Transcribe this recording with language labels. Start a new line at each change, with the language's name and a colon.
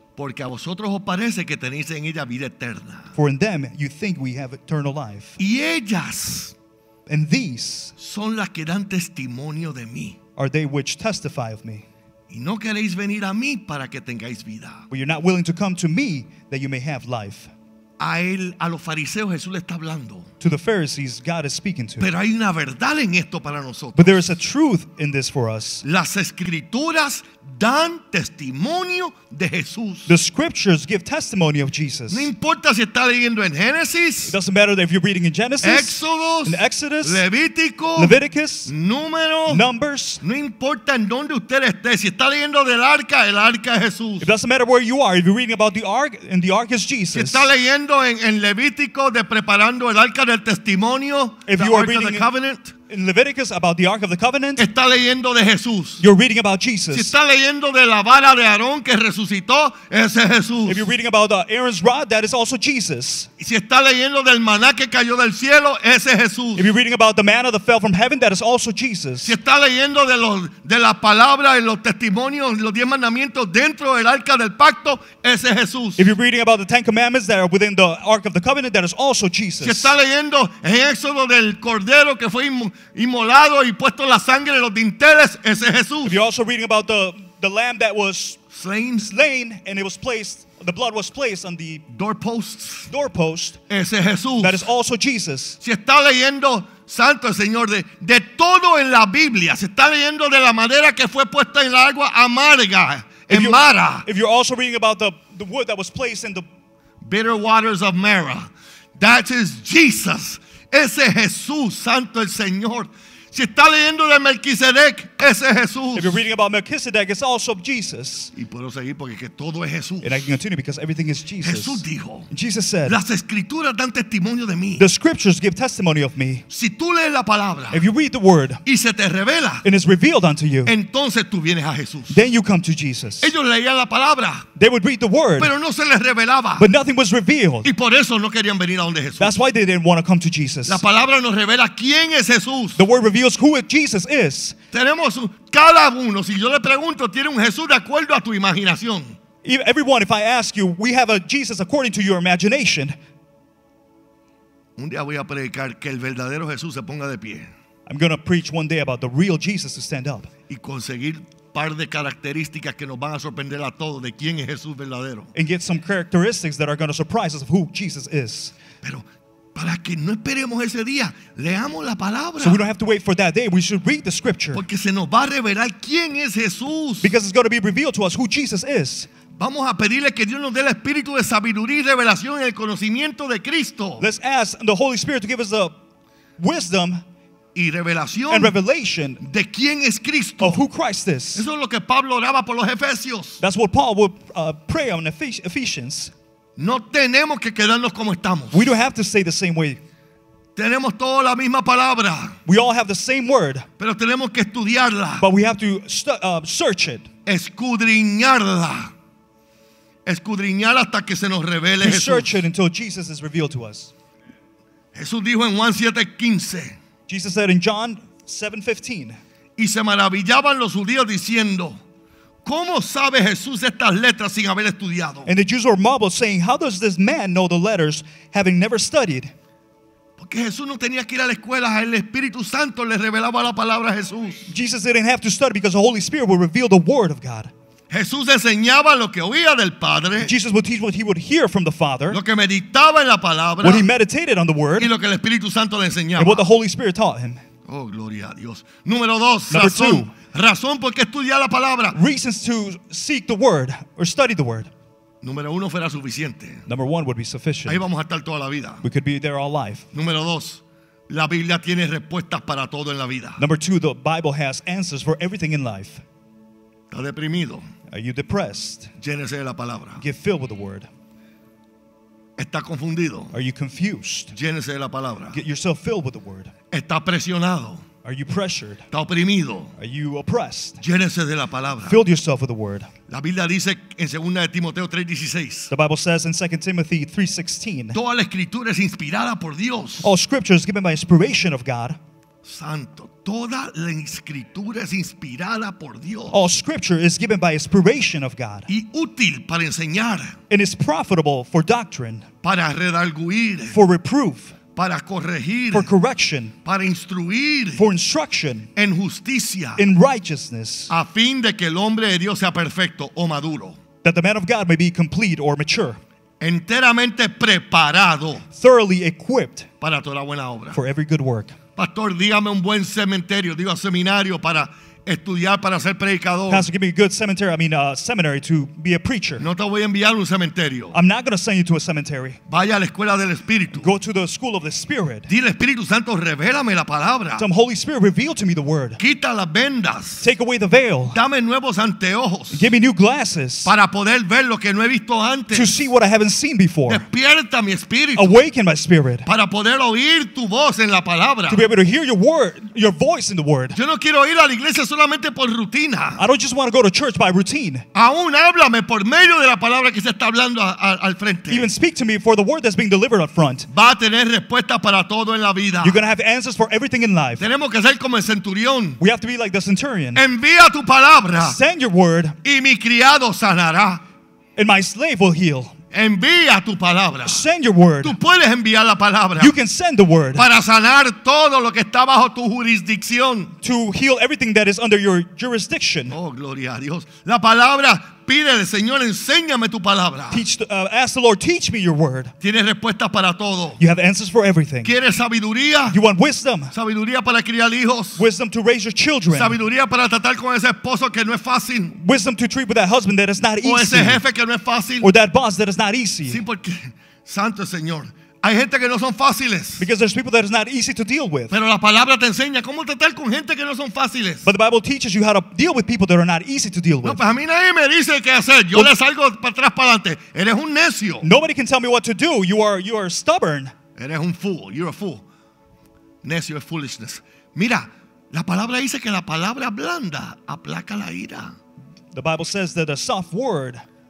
Spanish: Porque a vosotros os parece que tenéis en ella vida eterna.
English: For in them you think we have eternal life.
Spanish: Y ellas.
English: And these.
Spanish: Son las que dan testimonio de mí.
English: Are they which testify of me.
Spanish: Y no queréis venir a mí para que tengáis vida.
English: But you're not willing to come to me that you may have life.
Spanish: A los fariseos Jesús le está hablando.
English: to the Pharisees God is speaking to.
Spanish: Pero hay una verdad en esto para nosotros.
English: But there is a truth in this for us.
Spanish: Las escrituras dan testimonio de Jesús.
English: The scriptures give testimony of Jesus.
Spanish: No importa si está leyendo en Génesis.
English: It doesn't matter if you're reading in Genesis.
Spanish: Éxodos.
English: In Exodus.
Spanish: Levítico.
English: Leviticus.
Spanish: Número.
English: Numbers.
Spanish: No importa en dónde usted esté. Si está leyendo del arca, el arca es Jesús.
English: It doesn't matter where you are. If you're reading about the ark, and the ark is Jesus.
Spanish: Si está leyendo en Levítico de preparando el arca del testimonio.
English: If you are reading the covenant. In Leviticus about the Ark of the Covenant.
Spanish: Está leyendo de Jesús.
English: You're reading about Jesus.
Spanish: Si está leyendo de la vara de Aarón que resucitó, ese es Jesús.
English: If you're reading about Aaron's rod, that is also Jesus.
Spanish: Si está leyendo del maná que cayó del cielo, ese es Jesús.
English: If you're reading about the manna that fell from heaven, that is also Jesus.
Spanish: Si está leyendo de la palabra y los testimonios, los diez mandamientos dentro del arca del pacto, ese es Jesús.
English: If you're reading about the Ten Commandments that are within the Ark of the Covenant, that is also Jesus.
Spanish: Si está leyendo en Éxodo del cordero que fue inmolado y puesto la sangre en los dinteles, ese es Jesús.
English: If you're also reading about the lamb that was slain and it was placed, the blood was placed on the doorpost,
Spanish: ese es Jesús.
English: That is also Jesus.
Spanish: Si está leyendo, santo el Señor, de todo en la Biblia, si está leyendo de la madera que fue puesta en la agua amarga, en Mara.
English: If you're also reading about the wood that was placed in the bitter waters of Mara, that is Jesus.
Spanish: Ese es Jesús, santo el Señor. Si está leyendo de Melquisedec, ese es Jesús.
English: If you're reading about Melquisedec, it's also Jesus.
Spanish: Y puedo seguir porque que todo es Jesús.
English: And I can continue because everything is Jesus.
Spanish: Jesús dijo.
English: Jesus said.
Spanish: Las escrituras dan testimonio de mí.
English: The scriptures give testimony of me.
Spanish: Si tú lees la palabra.
English: If you read the word.
Spanish: Y se te revela.
English: And it's revealed unto you.
Spanish: Entonces tú vienes a Jesús.
English: Then you come to Jesus.
Spanish: Ellos leían la palabra.
English: They would read the word.
Spanish: Pero no se les revelaba.
English: But nothing was revealed.
Spanish: Y por eso no querían venir a donde Jesús.
English: That's why they didn't want to come to Jesus.
Spanish: La palabra nos revela quién es Jesús.
English: The word reveals who Jesus is.
Spanish: Tenemos cada uno, si yo le pregunto, tiene un Jesús de acuerdo a tu imaginación.
English: Everyone, if I ask you, we have a Jesus according to your imagination.
Spanish: Un día voy a predicar que el verdadero Jesús se ponga de pie.
English: I'm going to preach one day about the real Jesus to stand up.
Spanish: Y conseguir par de características que nos van a sorprender a todos de quién es Jesús verdadero.
English: And get some characteristics that are going to surprise us of who Jesus is.
Spanish: Pero para que no esperemos ese día, leamos la palabra.
English: So we don't have to wait for that day. We should read the scripture.
Spanish: Porque se nos va a revelar quién es Jesús.
English: Because it's going to be revealed to us who Jesus is.
Spanish: Vamos a pedirle que Dios nos dé el espíritu de sabiduría y revelación en el conocimiento de Cristo.
English: Let's ask the Holy Spirit to give us the wisdom
Spanish: y revelación
English: and revelation
Spanish: de quién es Cristo.
English: Of who Christ is.
Spanish: Eso es lo que Pablo oraba por los Efesios.
English: That's what Paul would pray on Ephesians.
Spanish: No tenemos que quedarnos como estamos.
English: We don't have to stay the same way.
Spanish: Tenemos toda la misma palabra.
English: We all have the same word.
Spanish: Pero tenemos que estudiarla.
English: But we have to search it.
Spanish: Escudriñarla. Escudriñarla hasta que se nos revele
English: to
Spanish: Jesús.
English: Search it until Jesus is revealed to us.
Spanish: Jesús dijo en Juan 7:15.
English: Jesus said in John 7:15.
Spanish: Y se maravillaban los judíos diciendo, ¿cómo sabe Jesús estas letras sin haber estudiado?
English: And the Jews were marveled, saying, how does this man know the letters, having never studied?
Spanish: Porque Jesús no tenía que ir a la escuela, el Espíritu Santo le revelaba la palabra a Jesús.
English: Jesus didn't have to study because the Holy Spirit would reveal the word of God.
Spanish: Jesús enseñaba lo que oía del Padre.
English: Jesus would teach what he would hear from the Father.
Spanish: Lo que meditaba en la palabra.
English: What he meditated on the word.
Spanish: Y lo que el Espíritu Santo le enseñaba.
English: And what the Holy Spirit taught him.
Spanish: Oh, gloria a Dios. Número dos, razón. Razón por qué estudiar la palabra.
English: Reasons to seek the word or study the word.
Spanish: Número uno fuera suficiente.
English: Number one would be sufficient.
Spanish: Ahí vamos a estar toda la vida.
English: We could be there all life.
Spanish: Número dos, la Biblia tiene respuestas para todo en la vida.
English: Number two, the Bible has answers for everything in life.
Spanish: ¿Estás deprimido?
English: Are you depressed?
Spanish: Llénese de la palabra.
English: Get filled with the word.
Spanish: ¿Estás confundido?
English: Are you confused?
Spanish: Llénese de la palabra.
English: Get yourself filled with the word.
Spanish: ¿Estás presionado?
English: Are you pressured?
Spanish: ¿Está oprimido?
English: Are you oppressed?
Spanish: Llénese de la palabra.
English: Fill yourself with the word.
Spanish: La Biblia dice en 2 Timoteo 3:16.
English: The Bible says in 2 Timothy 3:16.
Spanish: Toda la escritura es inspirada por Dios.
English: All scripture is given by inspiration of God.
Spanish: Santo, toda la escritura es inspirada por Dios.
English: All scripture is given by inspiration of God.
Spanish: Y útil para enseñar.
English: And is profitable for doctrine.
Spanish: Para redarguir.
English: For reproof.
Spanish: Para corregir,
English: for correction,
Spanish: para instruir,
English: for instruction,
Spanish: en justicia,
English: in righteousness,
Spanish: a fin de que el hombre de Dios sea perfecto o maduro,
English: that the man of God may be complete or mature.
Spanish: enteramente preparado,
English: thoroughly equipped,
Spanish: para toda buena obra,
English: for every good work.
Spanish: Pastor, dígame un buen cementerio, digo seminario, para estudiar, para ser predicador.
English: Pastor, give me a good cemetery, seminary to be a preacher.
Spanish: No te voy a enviar un cementerio.
English: I'm not going to send you to a cemetery.
Spanish: Vaya a la escuela del Espíritu.
English: Go to the school of the Spirit.
Spanish: Dile, Espíritu Santo, revélame la palabra.
English: Some Holy Spirit, reveal to me the word.
Spanish: Quita las vendas.
English: Take away the veil.
Spanish: Dame nuevos anteojos.
English: Give me new glasses.
Spanish: Para poder ver lo que no he visto antes.
English: To see what I haven't seen before.
Spanish: Despierta mi espíritu.
English: Awaken my spirit.
Spanish: Para poder oír tu voz en la palabra.
English: To be able to hear your word, your voice in the word.
Spanish: Yo no quiero ir a la iglesia solo. Por rutina.
English: I don't just want to go to church by routine.
Spanish: Aún háblame por medio de la palabra que se está hablando al frente.
English: Even speak to me for the word that's being delivered up front.
Spanish: Va a tener respuesta para todo en la vida.
English: You're going to have answers for everything in life.
Spanish: Tenemos que ser como el centurión.
English: We have to be like the centurion.
Spanish: Envía tu palabra.
English: Send your word.
Spanish: Y mi criado sanará.
English: And my slave will heal.
Spanish: Envía tu palabra.
English: Send your word.
Spanish: Tú puedes enviar la palabra.
English: You can send the word.
Spanish: Para sanar todo lo que está bajo tu jurisdicción.
English: To heal everything that is under your jurisdiction.
Spanish: Oh, gloria a Dios. La palabra, pídele, Señor, enséñame tu palabra.
English: Ask the Lord, teach me your word.
Spanish: Tienes respuestas para todo.
English: You have answers for everything.
Spanish: ¿Quieres sabiduría?
English: You want wisdom.
Spanish: Sabiduría para criar hijos.
English: Wisdom to raise your children.
Spanish: Sabiduría para tratar con ese esposo que no es fácil.
English: Wisdom to treat with that husband that is not easy.
Spanish: O ese jefe que no es fácil.
English: Or that boss that is not easy.
Spanish: Sí, porque santo Señor. Hay gente que no son fáciles.
English: Because there's people that it's not easy to deal with.
Spanish: Pero la palabra te enseña cómo tratar con gente que no son fáciles.
English: But the Bible teaches you how to deal with people that are not easy to deal with.
Spanish: No, pues a mí nadie me dice qué hacer. Yo le salgo para atrás, para adelante. Eres un necio.
English: Nobody can tell me what to do. You are stubborn.
Spanish: Eres un
English: fool. You're a fool.
Spanish: Necio es
English: foolishness.
Spanish: Mira, la palabra dice que la palabra blanda aplaca la ira.
English: The Bible says that a soft word,